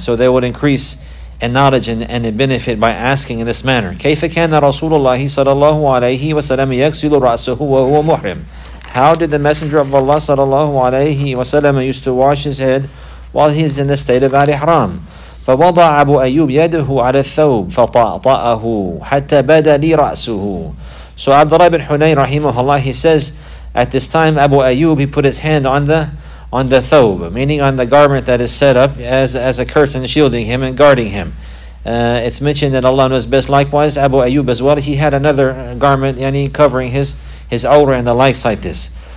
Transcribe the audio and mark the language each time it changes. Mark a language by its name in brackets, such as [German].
[English] So they would increase in knowledge and in benefit by asking in this manner. [Arabic] كَيْفَ كَانَ رَسُولُ اللَّهِ صَلَى اللَّهُ عَلَيْهِ وَسَلَمَ يَكْسِلُ رَأْسُهُ وَهُوَ مُحْرِمٌ. [English] How did the Messenger of Allah صلى الله عليه وسلم used to wash his head while he is in the state of al-ihram? [Arabic] فَوَضَعَ أَبُو أَيُّوبَ يَدَهُ عَلَى الثَّوْبِ فَطَأْطَأَهُ حَتَّى بَدَى لِي رَأْسُهُ. [English] So Abdullah ibn Hunayn rahimahullah, he says, at this time Abu Ayyub, he put his hand on the thawb, meaning on the garment that is set up as a curtain shielding him and guarding him. It's mentioned that Allah knows best. Likewise, Abu Ayyub as well, he had another garment, yani covering his awra and the likes like this.